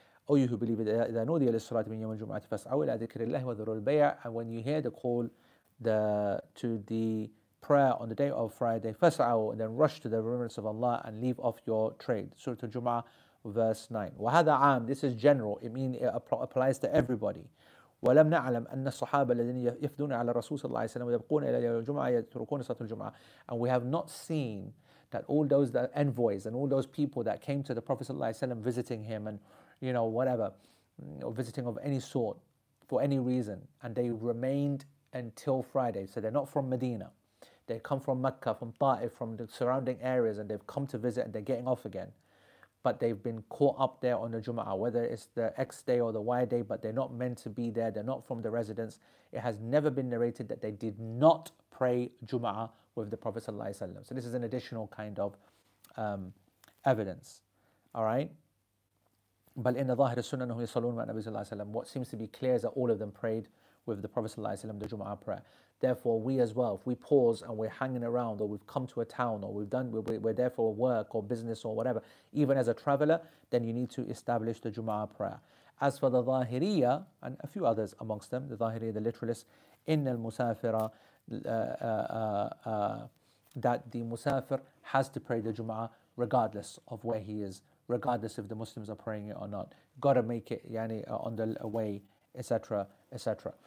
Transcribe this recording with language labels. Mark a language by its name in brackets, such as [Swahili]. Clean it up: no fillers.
[English] Oh, you who believe it, [Arabic] إذا نودي للصلاة من يوم الجمعة فاسعوا إلى ذكر الله وذروا البيع. [English] And when you hear the call to the prayer on the day of Friday, فاسعوا, and then rush to the remembrance of Allah and leave off your trade. Surah Al-Jum'ah, verse 9. [Arabic] وهذا عام, [English] this is general, it means it applies to everybody. [Arabic] ولم نعلم أن الصحابة الذين يفدون على الرسول صلى الله عليه وسلم ويبقون إلى يوم الجمعة يتركون صلاة الجمعة. [English] And we have not seen that all those that envoys and all those people that came to the Prophet [Arabic] صلى الله عليه وسلم [English] visiting him and you know whatever, or visiting of any sort for any reason, and they remained until Friday. So they're not from Medina, they come from Mecca, from Taif, from the surrounding areas, and they've come to visit and they're getting off again, but they've been caught up there on the Jumu'ah, whether it's the X day or the Y day, but they're not meant to be there, they're not from the residence. It has never been narrated that they did not pray Jumu'ah with the Prophet ﷺ. So this is an additional kind of evidence, all right? [Arabic] بل إن ظاهر السنة أنهم يصلون مع النبي صلى الله عليه وسلم. [English] What seems to be clear is that all of them prayed with the Prophet [Arabic] صلى الله عليه وسلم [English] the Jumu'ah prayer. Therefore, we as well, if we pause and we're hanging around, or we've come to a town, or we're there for work or business or whatever, even as a traveler, then you need to establish the Jumu'ah prayer. As for the Zahiriya and a few others amongst them, the Zahiriya, the literalists, [Arabic] إن المسافر [English] that the musafir has to pray the Jumu'ah regardless of where he is, regardless if the Muslims are praying it or not, gotta make it yani on the way, etc., etc.